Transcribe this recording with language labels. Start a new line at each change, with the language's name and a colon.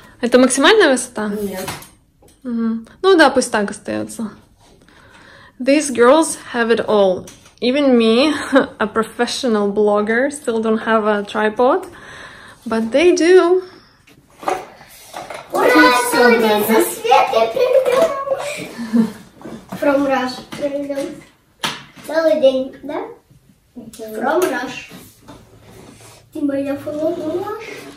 Russian: Это максимальная высота? Нет. Ну да, пусть так остается.
English: These girls have it all. Even me, a professional blogger, still don't have a tripod. But they do.
Russian: Ура, я надеюсь, со Светой придем. From Rush придем. Целый день, да? From Rush. Ты моя From Rush.